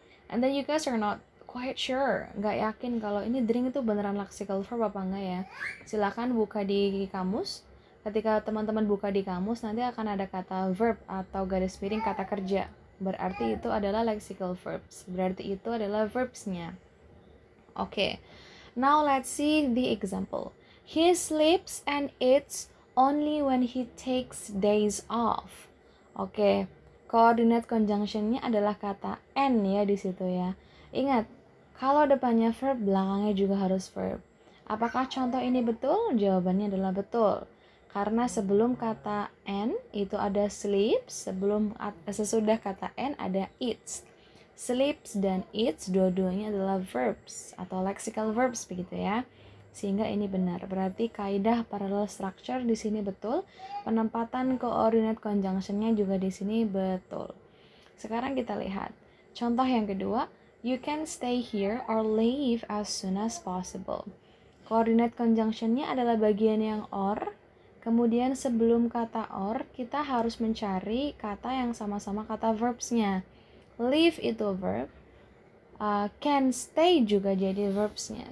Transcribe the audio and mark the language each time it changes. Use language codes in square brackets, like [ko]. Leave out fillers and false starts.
[en] And then you guys are not quite sure, [id] nggak yakin kalau ini drink itu beneran lexical verb apa enggak ya. Silakan buka di kamus. Ketika teman-teman buka di kamus, nanti akan ada kata verb atau garis miring kata kerja. Berarti itu adalah lexical verbs. Berarti itu adalah verbs-nya. [en] Oke, okay. Now let's see the example. He sleeps and eats only when he takes days off. [id] Oke, okay. Coordinate conjunction-nya adalah kata and ya di situ ya. Ingat, kalau depannya verb, belakangnya juga harus verb. Apakah contoh ini betul? Jawabannya adalah betul. Karena sebelum kata and itu ada sleeps, sebelum sesudah kata and ada eats. Sleeps dan eats dua-duanya adalah verbs atau lexical verbs begitu ya. Sehingga ini benar. Berarti kaidah parallel structure di sini betul. Penempatan coordinate conjunction-nya juga di sini betul. Sekarang kita lihat contoh yang kedua. [en] You can stay here or leave as soon as possible. [id] Coordinate conjunction-nya adalah bagian yang or. Kemudian sebelum kata or, kita harus mencari kata yang sama-sama kata verbs-nya. Leave itu verb. Can stay juga jadi verbs-nya.